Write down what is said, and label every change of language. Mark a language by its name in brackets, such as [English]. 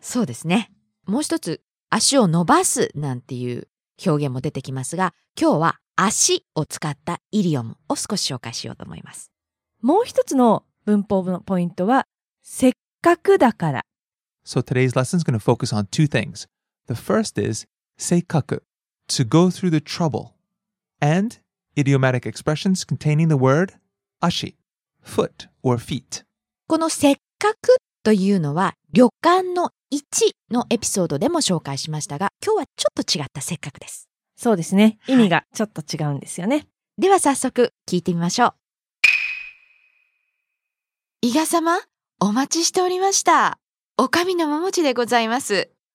[Japanese] そうですね。もう一つ、足を伸ばすなんていう表現も出てきますが、今日は足を使ったイディオムを少し紹介しようと思います。もう一つの文法のポイントは、せっかくだから。 [English] So today's lesson is going to focus on two things. The first is seikaku, to go through the trouble, and idiomatic expressions containing the word ashi, foot or feet. [Japanese] このせっかくというのは、旅館の一のエピソードでも紹介しましたが、今日はちょっと違ったせっかくです。そうですね。意味がちょっと違うんですよね。はい、では早速聞いてみましょう。伊賀様、お待ちしておりました。おかみの桃地でございます。